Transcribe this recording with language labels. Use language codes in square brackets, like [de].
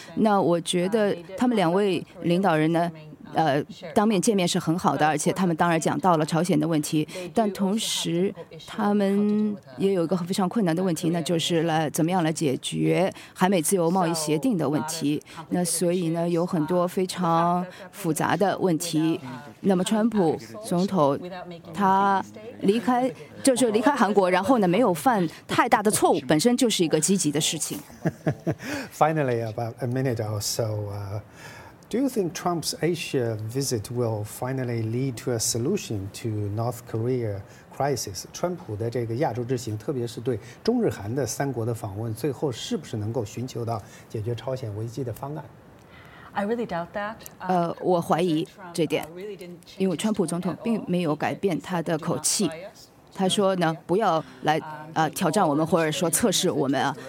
[zh] 那我觉得他们两位领导人呢当面见面是很好的，而且他们当然讲到了朝鲜的问题，但同时他们也有一个非常困难的问题，那就是来怎么样来解决韩美自由贸易协定的问题。那所以呢有很多非常复杂的问题。那么川普总统他离开韩国，然后呢没有犯太大的错误，本身就是一个积极的事情。 [en] Finally, about a minute or so, Do you think Trump's Asia visit will finally lead to a solution to North Korea crisis? [zh] 川普的这个亚洲之行，特别是对中日韩的三国的访问，最后是不是能够寻求到解决朝鲜危机的方案？ [en] I really doubt that. [zh] 我怀疑这点，因为川普总统并没有改变他的口气。他说呢，不要来挑战我们，或者说测试我们啊。